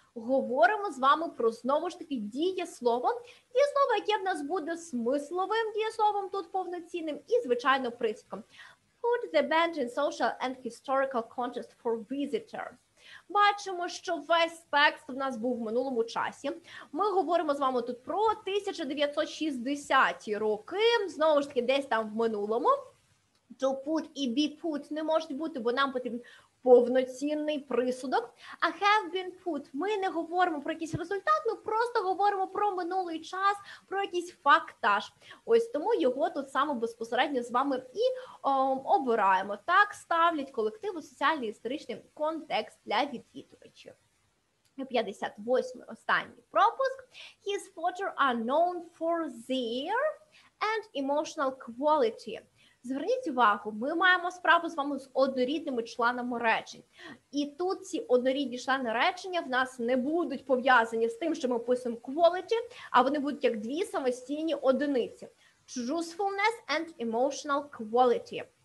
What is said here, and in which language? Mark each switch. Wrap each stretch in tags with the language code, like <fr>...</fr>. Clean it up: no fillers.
<uk>Говоримо з вами про, знову ж таки, дієслово. Дієслово, яке в нас буде смисловим дієсловом тут повноцінним і, звичайно, присвідком.</uk> <en>Put the band in social and historical context for visitor.</en> <uk>Бачимо, що весь текст в нас був в минулому часі. Ми говоримо з вами тут про 1960-ті роки, знову ж таки, десь там в минулому.</uk> <en>To put і be put</en> <uk>не можуть бути, бо нам потрібен повноцінний присудок. А</uk> <en>have been put,</en> <uk>ми не говоримо про якийсь результат, ми просто говоримо про минулий час, про якийсь фактаж. Ось тому його тут саме безпосередньо з вами і обираємо. Так ставлять колективу соціальний історичний контекст для відвідувачів. 58-й останній пропуск.</uk> <en>His photos are known for their and emotional quality.</en> <uk>Зверніть увагу, ми маємо справу з вами з однорідними членами речень. І тут ці однорідні члени речення в нас не будуть пов'язані з тим, що ми писуємо quality, а вони будуть як дві самостійні одиниці.</uk> <en>Truthfulness and emotional quality.</en>